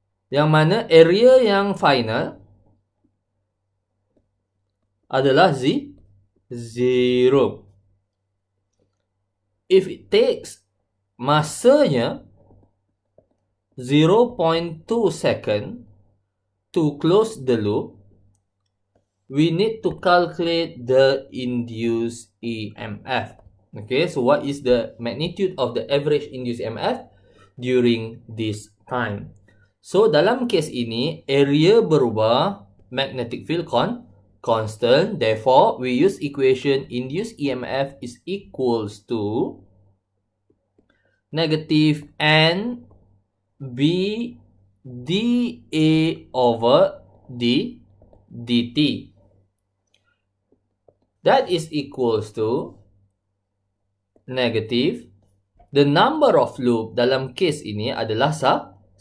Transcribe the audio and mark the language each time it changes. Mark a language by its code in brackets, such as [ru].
[ms] Yang mana area yang final adalah Z. [en] Zero. If it takes [ms] masanya [en] 0.2 second to close the loop, we need to calculate the induced EMF. Okay, so what is the magnitude of the average induced EMF during this time? So [ms] dalam kes ini, [en] area [ms] berubah, [en] magnetic field constant, therefore we use equation induced EMF is equals to negative N B d A over d dt. That is equals to negative. The number of loop [ms] dalam case ini [en] adalah 1.